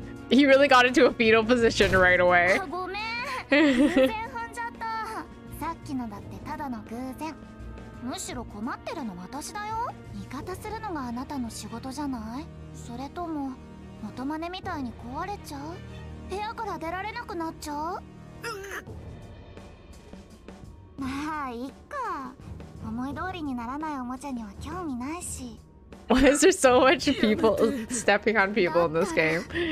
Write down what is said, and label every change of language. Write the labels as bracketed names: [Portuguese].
[English] He really got into a fetal position right away. [Japanese] ごめん。偶然本じゃった。さっきのだってただの偶然。むしろ困ってるの私だよ。味方するのがあなたの仕事じゃない。それとも元真似みたいに壊れちゃう。部屋から出られなくなっちゃう。まあいっか。思い通りにならないおもちゃには興味ないし。 [English] Why is there so much people stepping on people in this game?